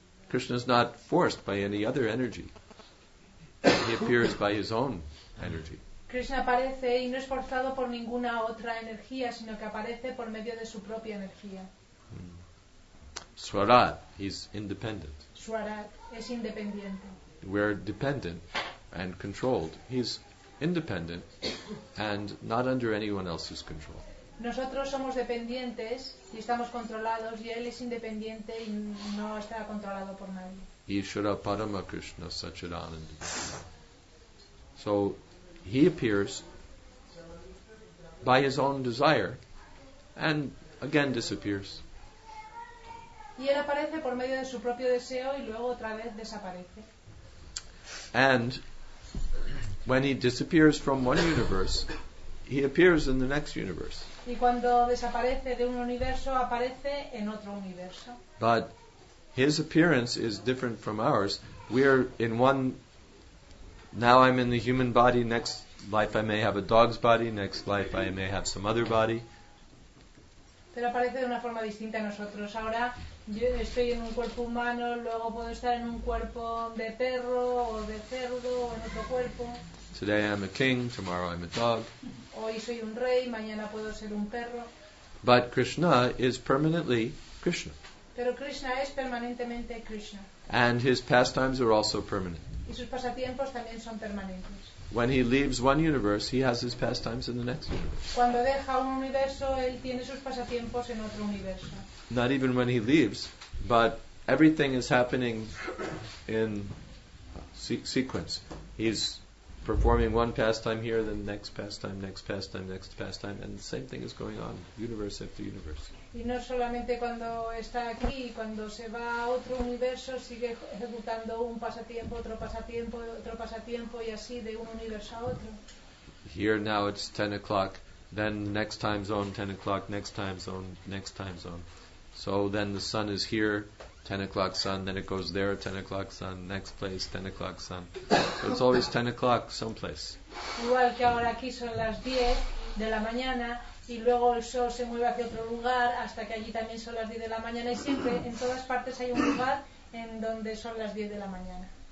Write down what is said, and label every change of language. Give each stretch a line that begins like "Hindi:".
English: Krishna is not forced by any other energy. He appears by his own energy.
Spanish: Krishna aparece y no es forzado por ninguna otra energía, sino que aparece por medio de su propia energía.
English: Swarat, he's independent.
Spanish: Swarat es independiente.
English: We're dependent and controlled. He's independent and not under anyone else's control.
Spanish: Nosotros somos dependientes y estamos controlados y él es independiente y no está controlado por nadie.
Sanskrit: Ishvara Parama Krishna Sachidananda.
English: So he appears by his own desire and again disappears.
Spanish: Y él aparece por medio de su propio deseo y luego otra vez desaparece.
English: And when he disappears from one universe, he appears in the next universe.
Spanish: Y cuando desaparece de un universo, aparece en otro universo.
English: But his appearance is different from ours. We are in one. Now I'm in the human body. Next life I may have a dog's body. Next life I may have some other body.
Spanish: Pero aparece de una forma distinta a nosotros. Ahora yo estoy en un cuerpo humano. Luego puedo estar en un cuerpo de perro o de cerdo o en otro cuerpo.
English: Today I'm a king. Tomorrow I'm a dog.
Spanish: Hoy soy un rey, mañana puedo ser un perro.
English: But Krishna is permanently Krishna.
Spanish: Pero Krishna es permanentemente Krishna.
English: And his pastimes are also permanent.
Spanish: Y sus pasatiempos también son permanentes.
English: When he leaves one universe, he has his pastimes in the next universe.
Spanish: Cuando deja un universo, él tiene sus pasatiempos en otro universo.
English: Not even when he leaves, but everything is happening in sequence. He's performing one pastime here, then next pastime, next pastime, next pastime, and the same thing is going on, universe after universe.
Spanish: Y no solamente cuando está aquí, cuando se va a otro universo, sigue ejecutando un pasatiempo, otro pasatiempo, otro pasatiempo, y así de un universo a otro.
English: Here now it's 10 o'clock, then next time zone, 10 o'clock, next time zone, next time zone. So then the sun is here, 10 o'clock sun, then it goes there, 10 o'clock sun, next place, 10 o'clock sun. So it's always 10 o'clock someplace.
Spanish: Igual que ahora aquí son las 10 de la mañana, y luego el sol se mueve hacia otro lugar hasta que allí también son las 10 de la mañana, y siempre en todas partes hay un lugar en donde son las 10 de la mañana.